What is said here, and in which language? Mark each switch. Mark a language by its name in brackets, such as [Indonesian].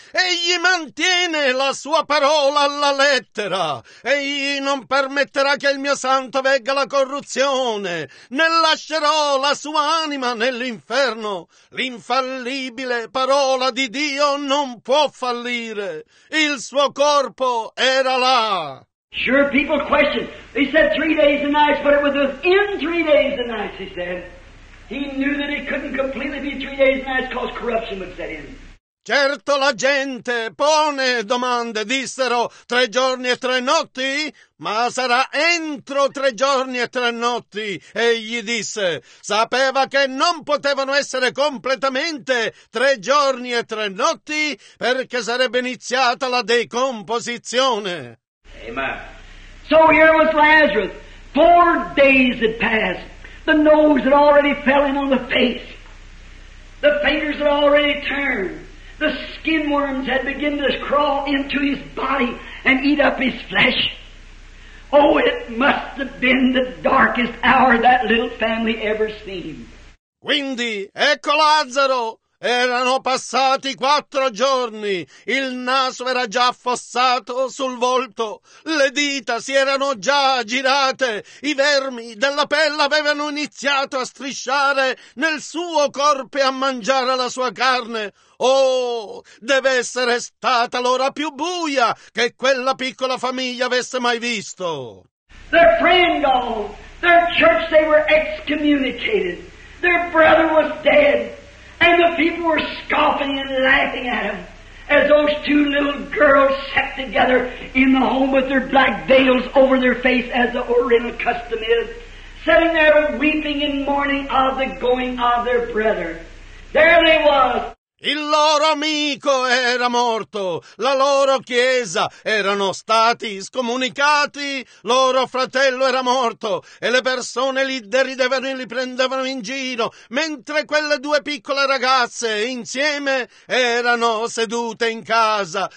[Italian] Egli mantiene la sua parola alla lettera. Egli non permetterà che il mio santo vegga la corruzione, né lascerò la sua anima nell'inferno. L'infallibile parola di Dio non può fallire. Il suo corpo era là. [English] Sure, people question. He said 3 days and nights, but it was within 3 days and nights, he said. He knew that it couldn't completely be 3 days and nights cause corruption would set in. [Italian] Certo, la gente pone domande, dissero 3 giorni e 3 notti, ma sarà entro 3 giorni e 3 notti. Egli disse, sapeva che non potevano essere completamente 3 giorni e 3 notti perché sarebbe iniziata la decomposizione. Amen. [English] So here was Lazarus. 4 days had passed. The nose had already fell in on the face. The fingers had already turned. The skin worms had begun to crawl into his body and eat up his flesh. Oh, it must have been the darkest hour that little family ever seen. [Italian] Quindi, ecco Lazzaro. Erano passati 4 giorni, il naso era già affossato sul volto, le dita si erano già girate, i vermi della pelle avevano iniziato a strisciare nel suo corpo e a mangiare la sua carne. Oh, deve essere stata l'ora più buia che quella piccola famiglia avesse mai visto. [English] Their friend gone, their church they were excommunicated, their brother was dead. And the people were scoffing and laughing at him as those two little girls sat together in the home with their black veils over their face, as the Oriental custom is, sitting there weeping and mourning of the going of their brethren. There they was. [Italian] Il loro amico era morto, la loro chiesa erano stati scomunicati, loro fratello era morto e le persone li deridevano e li prendevano in giro, mentre quelle due piccole ragazze insieme erano sedute in casa